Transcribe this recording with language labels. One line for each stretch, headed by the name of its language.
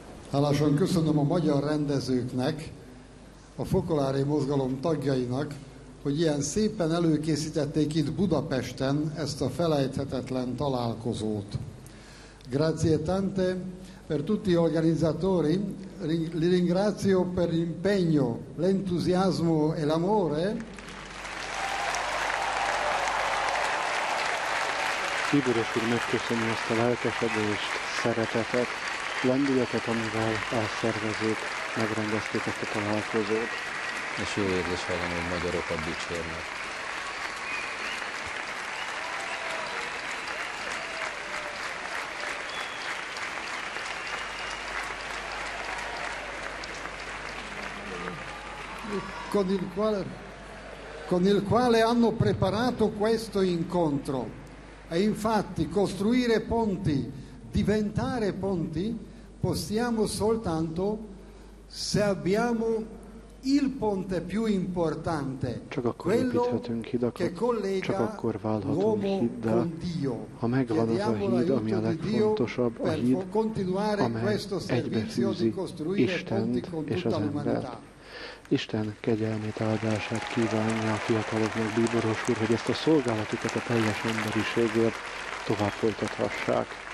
Hungarian: Hálásan köszönöm a magyar rendezőknek, a Fokolári Mozgalom tagjainak, hogy ilyen szépen előkészítették itt Budapesten ezt a felejthetetlen találkozót.
Italian: Grazie tante per tutti gli organizzatori, ringrazio per l'impegno, l'entusiasmo e l'amore.
Hungarian: Tibor úr, megköszönöm ezt a lelkesedést, szeretetet, lendületet, amivel elszervezők megrendezték ezt a találkozót. És jó érzés hallom, hogy magyarokat dicsérnek.
Italian: Con il quale hanno preparato questo incontro. E infatti costruire ponti, diventare ponti, possiamo soltanto se abbiamo il ponte più importante, quello che collega l'uomo con Dio.
Hungarian: Ha megvan az a híd, ami a legfontosabb, a híd, amely egybefűzi Istent és az embert. Isten kegyelmét, áldását kívánja a fiataloknak, bíboros úr, hogy ezt a szolgálatukat a teljes emberiségért tovább folytathassák.